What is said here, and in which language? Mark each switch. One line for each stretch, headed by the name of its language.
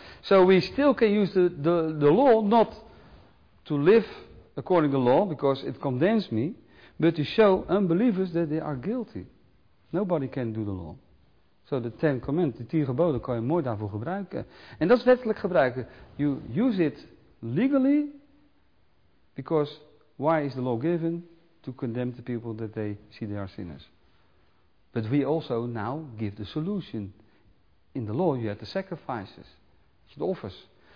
English: So we still can use the law not to live according to the law, because it condemns me, but to show unbelievers that they are guilty. Nobody can do the law. So the Ten Commandments,
Dutch: de 10 geboden, kan je mooi daarvoor gebruiken. En dat is wettelijk gebruiken.
English: You use it legally, because why is the law given? To condemn the people that they see they are sinners. But we also now give the solution. In the law you have the sacrifices, the offers.